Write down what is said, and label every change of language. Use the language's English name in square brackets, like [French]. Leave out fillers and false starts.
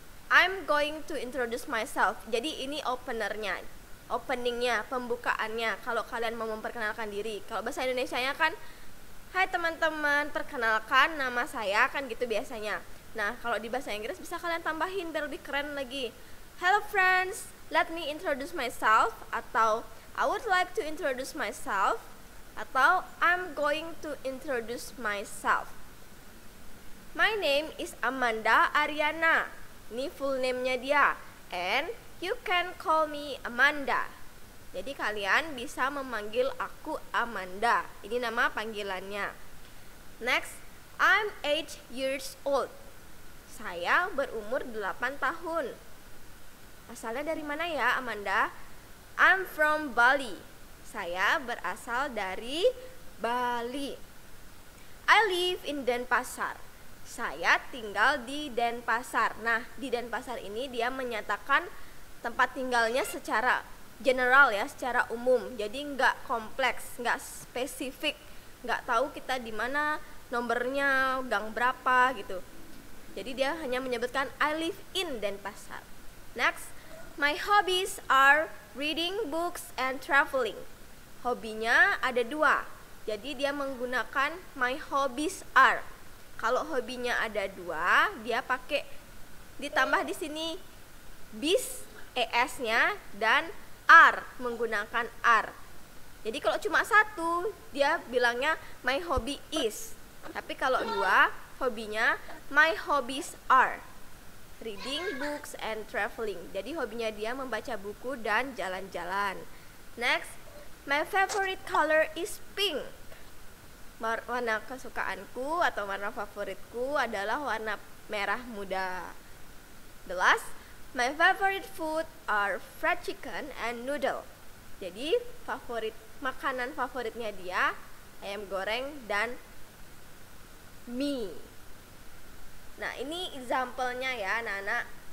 [English] I'm going to introduce myself. [Indonesian] Jadi ini openernya, openingnya, pembukaannya kalau kalian mau memperkenalkan diri. Kalau bahasa Indonesianya kan hai teman-teman, perkenalkan nama saya, kan gitu biasanya. Nah, kalau di bahasa Inggris bisa kalian tambahin biar lebih keren lagi. [English] Hello friends, let me introduce myself atau I would like to introduce myself atau I'm going to introduce myself. My name is Amanda Ariana. [Indonesian] Ini full name-nya dia. [English] And you can call me Amanda. [Indonesian] Jadi kalian bisa memanggil aku Amanda. Ini nama panggilannya. [English] Next, I'm 8 years old. [Indonesian] Saya berumur 8 tahun. Asalnya dari mana ya, Amanda? [English] I'm from Bali. [Indonesian] Saya berasal dari Bali. [English] I live in Denpasar. [Indonesian] Saya tinggal di Denpasar. Nah, di Denpasar ini dia menyatakan tempat tinggalnya secara general ya, secara umum. Jadi enggak kompleks, enggak spesifik. Enggak tahu kita di mana, nomornya, gang berapa gitu. Jadi dia hanya menyebutkan [English] I live in Denpasar. Next, my hobbies are reading books and traveling. [Indonesian] Hobinya ada dua. Jadi dia menggunakan [English] my hobbies are. [Indonesian] Kalau hobinya ada dua, dia pakai ditambah di sini bis es-nya dan are, menggunakan are. Jadi kalau cuma satu, dia bilangnya [English] my hobby is. [Indonesian] Tapi kalau dua, hobinya [English] my hobbies are. Reading books and traveling. [Indonesian] Jadi hobinya dia membaca buku dan jalan-jalan. [English] Next, my favorite color is pink. [Indonesian] Warna kesukaanku atau warna favoritku adalah warna merah muda. [English] The last, my favorite food are fried chicken and noodle. [Indonesian] Jadi favorit makanan favoritnya dia ayam goreng dan mie. Nah, ini example-nya ya, anak-anak.